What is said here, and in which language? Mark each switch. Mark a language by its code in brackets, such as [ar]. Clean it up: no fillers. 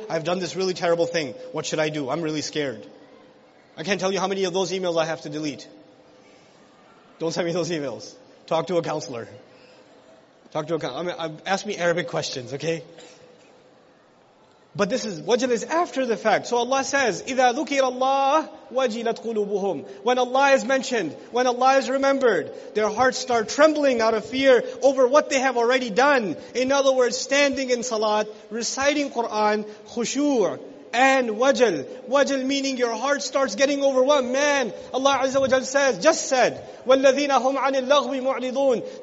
[en] I've done this really terrible thing. What should I do? I'm really scared. I can't tell you how many of those emails I have to delete. Don't send me those emails. Talk to a counselor. I mean, ask me Arabic questions, okay? But this is, wajal is after the fact. So Allah says, [ar] إِذَا ذُكِرَ اللَّهِ وَجِلَتْ قُلُوبُهُمْ. [en] When Allah is mentioned, when Allah is remembered, their hearts start trembling out of fear over what they have already done. In other words, standing in salat, reciting Qur'an, khushu' and wajal. Wajal meaning your heart starts getting overwhelmed. Man, Allah Azza wa Jal says, just said, [ar] وَالَّذِينَ هُمْ عَنِ اللَّغْوِ مُعْرِضُونَ.